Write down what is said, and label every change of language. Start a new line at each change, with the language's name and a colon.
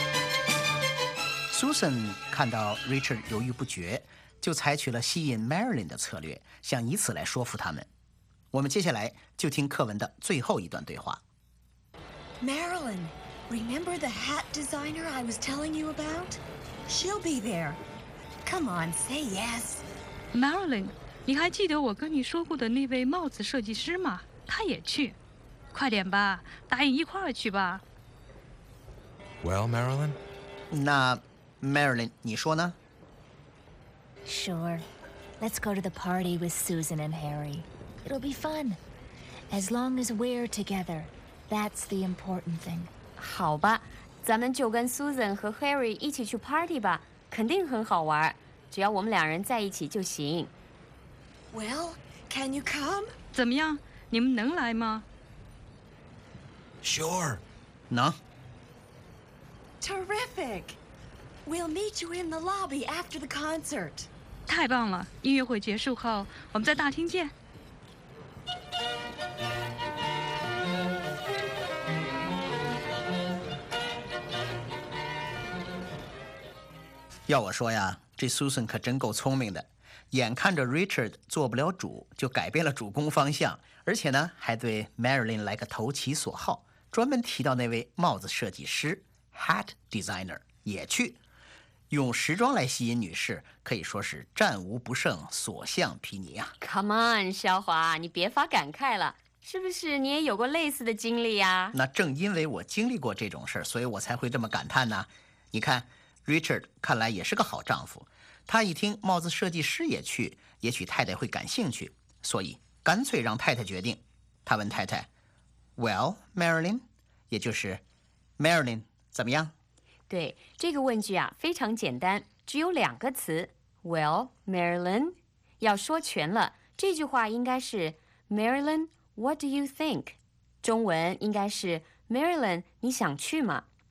Chinese: 我们大概或者可能已经有安排了。Susan 看到 Richard 犹豫不决，就采取了吸引 Marilyn 的策略，想以此来说服他们。我们接下来就听课文的最后一段对话。
English: Marilyn, remember the hat designer I was telling you about? She'll be there. Come on, say yes.
Chinese: Marilyn, 你还记得我跟你说过的那位帽子设计师吗？他也去。快点吧，答应一块儿去吧。
English: Well, Marilyn?
Chinese: 那 Marilyn, 你说呢？
English: Sure. Let's go to the party with Susan and Harry. It'll be fun. As long as we're together. That's the important thing.
Chinese: 好吧，咱们就跟 Susan 和 Harry 一起去 party 吧，肯定很好玩，只要我们两人在一起就行。
English: Well, can you come?
Chinese: 怎么样，你们能来吗？
English: Sure.
Chinese: 能。
English: Terrific. We'll meet you in the lobby after the concert.
Chinese: 太棒了，音乐会结束后，我们在大厅见。要我说呀，这 Susan 可真够聪明的，眼看着 Richard 做不了主，就改变了主攻方向，而且呢，还对 Marilyn 来个投其所好，专门提到那位帽子设计师 hat designer 也去，用时装来吸引女士，可以说是战无不胜，所向披靡啊！
English: Come on，
Chinese: 肖华，你别发感慨了，是不是你也有过类似的经历呀？那正因为我经历过这种事儿，所以我才会这么感叹呢。你看。 Richard 看来也是个好丈夫，他一听帽子设计师也去，也许太太会感兴趣，所以干脆让太太决定。他问太太 ，
English: Well, Marilyn，
Chinese: 也就是 Marilyn 怎么样？对，这个问句啊非常简单，只有两个词，
English: Well, Marilyn，
Chinese: 要说全了，这句话应该是
English: Marilyn, what do you think？
Chinese: 中文应该是 Marilyn， 你想去吗？